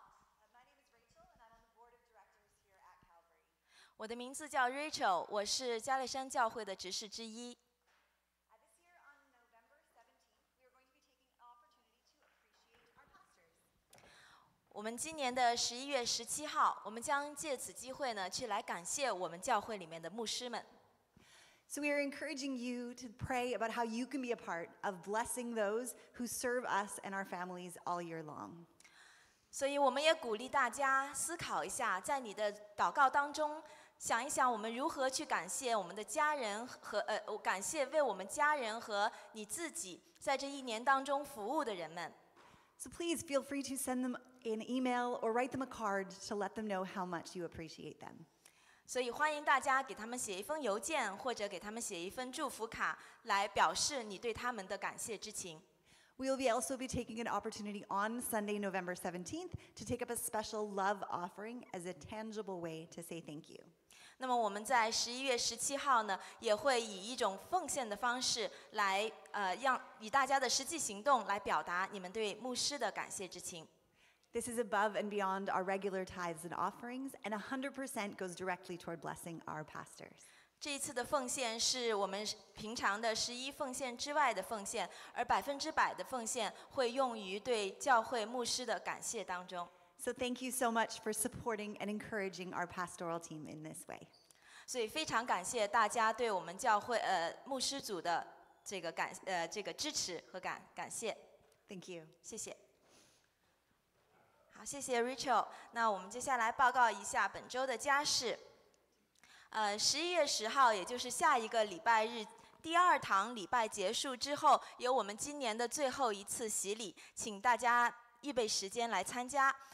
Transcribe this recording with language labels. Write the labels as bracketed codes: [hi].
[en] My name is Rachel, and I'm on the board of directors here at Calvary. [zh] 我的名字叫 Rachel, 我是加勒山教会的执事之一。 [en] This year on November 17th, we are going to be taking an opportunity to appreciate our pastors. [zh] 我们今年的11月17号，我们将借此机会呢，去来感谢我们教会里面的牧师们。 [en] So we are encouraging you to pray about how you can be a part of blessing those who serve us and our families all year long. [zh] 所以我们也鼓励大家思考一下，在你的祷告当中，想一想我们如何去感谢我们的家人和感谢为我们家人和你自己在这一年当中服务的人们。 [en] So please feel free to send them an email or write them a card to let them know how much you appreciate them. [zh] 所以欢迎大家给他们写一封邮件，或者给他们写一份祝福卡，来表示你对他们的感谢之情。 [en] We will also be taking an opportunity on Sunday, November 17th, to take up a special love offering as a tangible way to say thank you. [zh] 那么我们在十一月十七号呢，也会以一种奉献的方式来，让以大家的实际行动来表达你们对牧师的感谢之情。 [en] This is above and beyond our regular tithes and offerings, and 100% goes directly toward blessing our pastors. [zh] 这一次的奉献是我们平常的十一奉献之外的奉献，而百分之百的奉献会用于对教会牧师的感谢当中。 [en] So thank you so much for supporting and encouraging our pastoral team in this way. [zh] 所以非常感谢大家对我们教会牧师组的这个感这个支持和感谢。 [en] Thank you. [zh] 谢谢。好，谢谢 Rachel。那我们接下来报告一下本周的家事。十一月十号，也就是下一个礼拜日，第二堂礼拜结束之后，有我们今年的最后一次洗礼，请大家预备时间来参加。